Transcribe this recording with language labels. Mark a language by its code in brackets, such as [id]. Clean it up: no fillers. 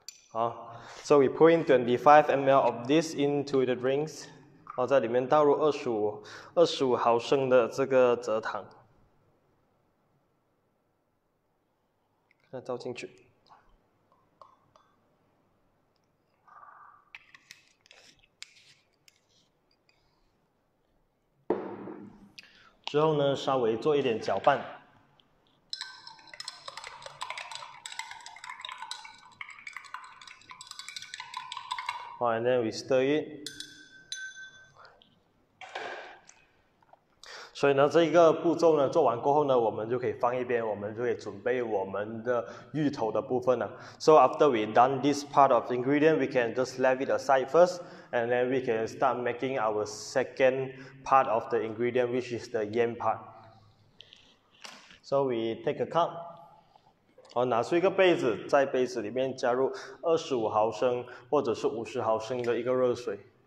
[en] 好，so we put in 25 ml of this into the drinks. [zh] 好，在里面倒入二十五毫升的这个蔗糖。那倒进去。之后呢，稍微做一点搅拌。 [en] And then we stir it。 [zh] 所以呢，这个步骤呢做完过后呢，我们就可以放一边，我们就可以准备我们的芋头的部分了。 [en] So after we done this part of ingredient, we can just leave it aside first, and then we can start making our second part of the ingredient, which is the yam part. So we take a cup. [zh] 好，拿出一个杯子，在杯子里面加入25毫升或者是50毫升的一个热水。